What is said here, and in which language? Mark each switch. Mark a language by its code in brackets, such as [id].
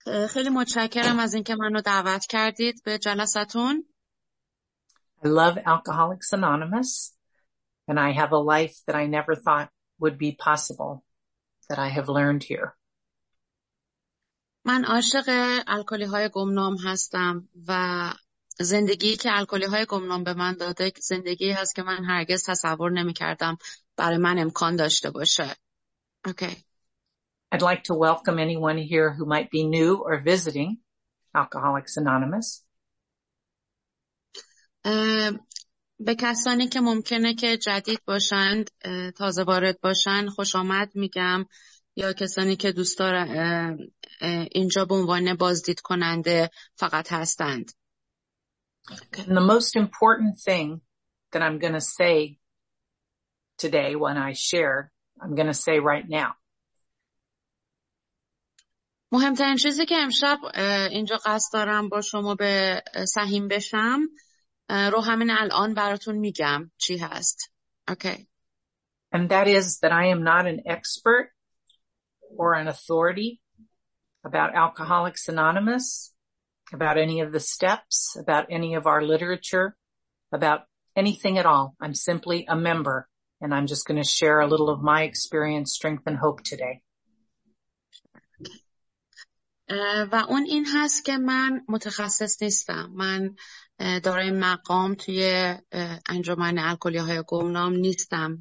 [fa] خیلی متشکرم از اینکه منو دعوت کردید به جلسه‌تون. [en] I love Alcoholics Anonymous, and I have a life that I never thought would be possible that I have learned here. [fa] من عاشق الکلی‌های گمنام هستم و زندگی که الکلی‌های گمنام به من داده زندگی هست که من هرگز تصور نمی‌کردم برای من امکان داشته باشه. [en] Okay. I'd like to welcome anyone here who might be new or visiting Alcoholics Anonymous. [fa] به کسانی که ممکنه که جدید باشند، تازه وارد باشند، خوش آمد میگم. یا کسانی که دوست دارن اینجا به عنوان بازدید کننده فقط هستند. [en] And the most important thing that I'm going to say today when I share, I'm going to say right now. [fa] مهمترین چیزی که امشب اینجا قصد دارم با شما به سهیم بشم رو همین الان براتون میگم چی هست. [en] Okay. And that is that I am not an expert or an authority about Alcoholics Anonymous, about any of the steps, about any of our literature, about anything at all. I'm simply a member, and I'm just going to share a little of my experience, strength, and hope today. [fa] و اون این هست که من متخصص نیستم. من دارای مقام توی انجمن الکلی‌های گمنام نیستم.